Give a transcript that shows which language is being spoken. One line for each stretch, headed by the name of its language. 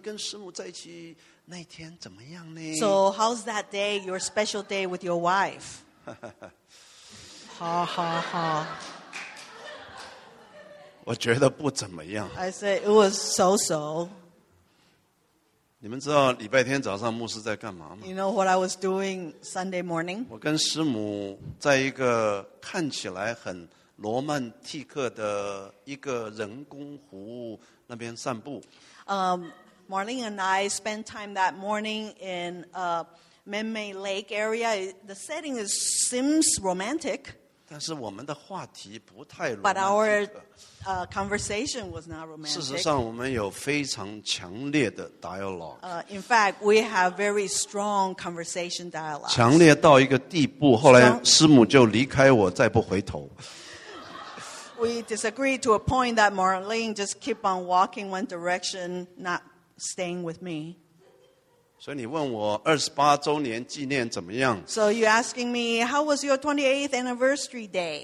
Chinese: 所以很多人就问我说，哎呀，牧师啊，你跟师母在一起那天怎么样呢？
English: So how's that day, your special day with your wife? Ha ha ha.
Chinese: 我觉得不怎么样。
English: I said it was so-so.
Chinese: 你们知道礼拜天早上牧师在干嘛吗?
English: You know what I was doing Sunday morning?
Chinese: 我跟师母在一个看起来很罗曼蒂克的一个人工湖那边散步。
English: Marlene and I spent time that morning in a Menmei Lake area. The setting seems romantic.
Chinese: 但是我们的话题不太罗曼蒂克。
English: But our conversation was not romantic.
Chinese: 事实上我们有非常强烈的dialogue.
English: In fact, we have very strong conversation dialogue.
Chinese: 强烈到一个地步, 后来师母就离开我再不回头。
English: We disagreed to a point that Marlene just keep on walking one direction, not staying with me.
Chinese: 所以你问我28周年纪念怎么样?
English: So you're asking me, how was your 28th anniversary day?